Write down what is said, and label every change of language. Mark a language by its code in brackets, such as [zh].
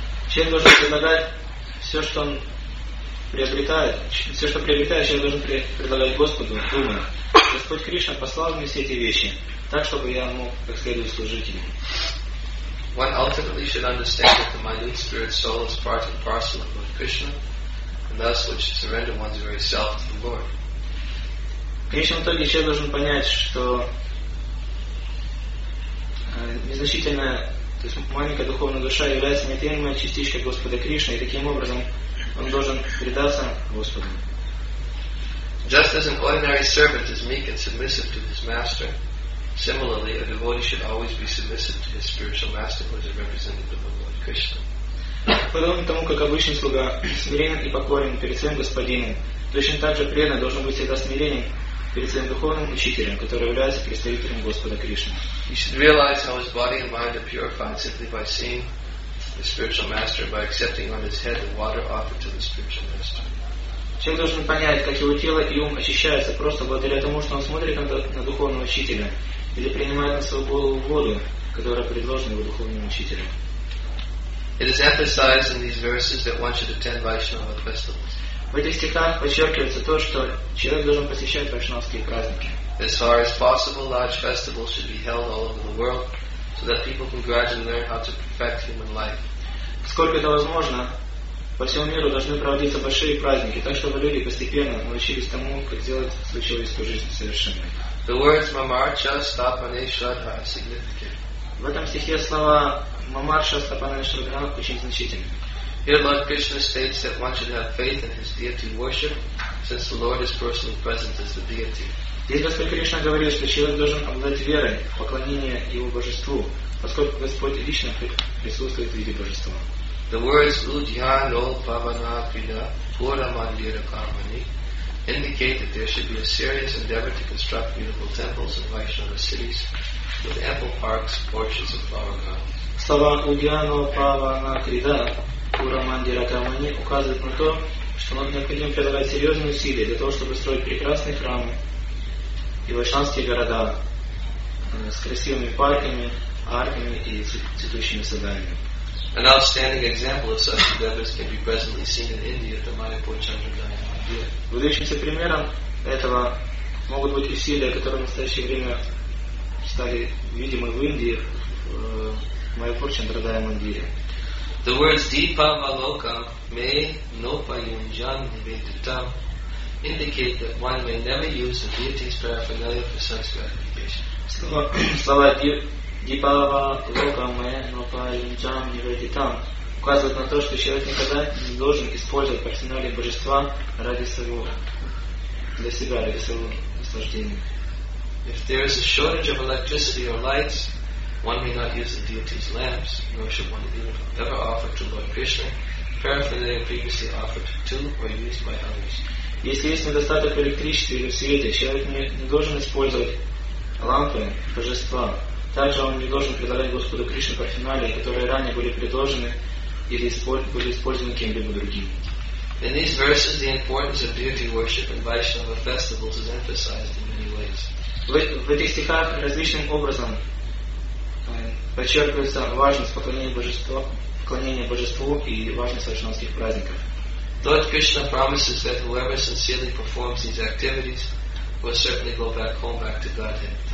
[ru] Человек должен предлагать все, что он приобретает, все, что приобретает, человек должен предлагать Господу, думая: Господь Кришна послал мне все эти вещи, так, чтобы я мог как следует служить Ему. [en] One ultimately should understand that the minute spirit soul is part and parcel of Lord Krishna, and thus one should surrender one's very self to the Lord. [ru] В конечном итоге человек должен понять, что незначительная То есть маленькая духовная душа является неотъемлемой частичкой Господа Кришны, и таким образом он должен предаться Господу. [en] Just as an ordinary servant is meek and submissive to his master, similarly a devotee should always be submissive to his spiritual master, who is a representative of Lord Krishna. [ru] Подобно тому, как обычный слуга смирен и покорен перед своим господином, точно так же преданный должен быть всегда смиренен перед своим духовным учителем, который является представителем Господа Кришны. [en] He should realize how his body and mind are purified simply by seeing the spiritual master, by accepting on his head the water offered to the spiritual master. [ru] Человек должен понять, как его тело и ум очищаются просто благодаря тому, что он смотрит на духовного учителя или принимает на свою голову воду, которая предложена его духовному учителю. [en] It is emphasized in these verses that one should attend Vaishnava festivals. [ru] В этих стихах подчеркивается то, что человек должен посещать вайшнавские праздники. [en] As far as possible, large festivals should be held all over the world, so that people can gradually learn how to perfect human life. [ru] Сколько это возможно, по всему миру должны проводиться большие праздники, так чтобы люди постепенно научились тому, как сделать свою человеческую жизнь совершенной. [en] The words Mamarcha Stapaneshradha are significant. [ru] В этом стихе слова Мамарша Стапанешрадха очень значительны. [en] Here Lord Krishna states that one should have faith in his deity worship, since the Lord is personally present as the deity. [ru] Здесь Господь Кришна говорит, что человек должен обладать верой в поклонение Его Божеству, поскольку Господь лично присутствует в виде Божества. [en] The words Udhyano Pavana Pina Pura Mandira Karmani indicate that there should be a serious endeavor to construct beautiful temples in Vaishnava cities with ample parks, orchards and flower gardens. [ru] Слова Удьяно Павана Крида Пура Мандира Карамани указывают на то, что нам необходимо прилагать серьезные усилия для того, чтобы строить прекрасные храмы и вайшнавские города с красивыми парками, арками и цветущими садами. [en] An outstanding example of such endeavors can be presently seen in India at the Manipur Chandragaya Mandir. [ru] Выдающимся примером этого могут быть усилия, которые в настоящее время стали видимы в Индии, в Манипур Чандрагая Мандир. [en] The words Deepa Valoka Me Nopa Yunjan Nivetutam indicate that one may never use the deity's paraphernalia for such gratification. [ru] Слова Дипава Лока Мэ Нопа Юнджам Ниведи Там указывает на то, что человек никогда не должен использовать персонали божества ради своего, для себя, ради своего наслаждения. [en] If there is a shortage of electricity or lights, one may not use the deity's lamps, nor should one even ever offer to Lord Krishna paraphernalia previously offered to or used by others. [ru] Если есть недостаток электричества или света, человек не должен использовать лампы божества. Также он не должен предлагать Господу Кришне парфюмерии, которые ранее были предложены или были использованы кем-либо другим. [en] In these verses, the importance of deity worship and Vaishnava festivals is emphasized in many ways. [ru] В этих стихах различным образом подчеркивается важность поклонения Божеству и важность вайшнавских праздников. [en] Lord Krishna promises that whoever sincerely performs these activities will certainly go back home back to Godhead.